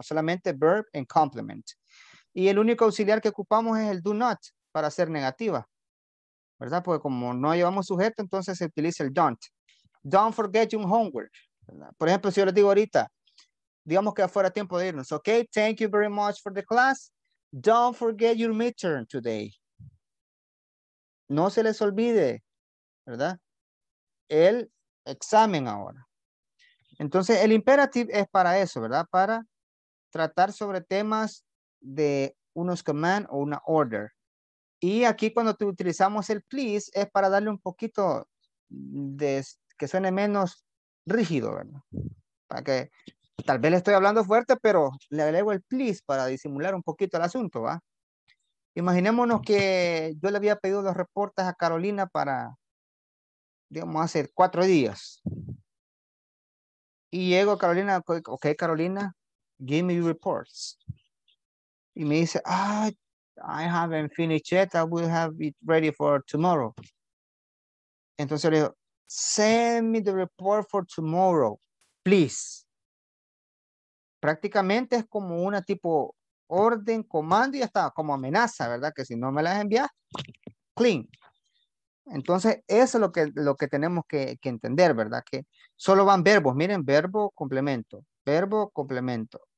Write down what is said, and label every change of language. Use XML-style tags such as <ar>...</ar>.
<es>Solamente</es> <en>verb and complement.</en> <es>Y el único auxiliar que ocupamos es el do not para ser negativa. ¿Verdad? Porque como no llevamos sujeto, entonces se utiliza el don't.</es> <en>Don't forget your homework.</en> <es>¿Verdad? Por ejemplo, si yo les digo ahorita, digamos que fuera tiempo de irnos.</es> <en>Ok, thank you very much for the class. Don't forget your midterm today.</en> <es>No se les olvide, ¿verdad? El examen ahora. Entonces, el imperative es para eso, ¿verdad? Para tratar sobre temas de unos command o una order. Y aquí cuando utilizamos el please, es para darle un poquito de que suene menos rígido, ¿verdad? Para que, tal vez le estoy hablando fuerte, pero le agrego el please para disimular un poquito el asunto, ¿va? Imaginémonos que yo le había pedido los reportes a Carolina para, digamos, hace 4 días. Y llego a</es> <en>Carolina, ok, Carolina, give me your reports.</en> <es>Y me dice,</es> <en>ah, I haven't finished yet, I will have it ready for tomorrow.</en> <es>Entonces le digo,</es> <en>send me the report for tomorrow, please.</en> <es>Prácticamente es como una tipo orden, comando y hasta como amenaza, ¿verdad? Que si no me las envías, clean. Entonces, eso es lo que tenemos que entender, ¿verdad? Que solo van verbos. Miren, verbo, complemento. Verbo, complemento.</es>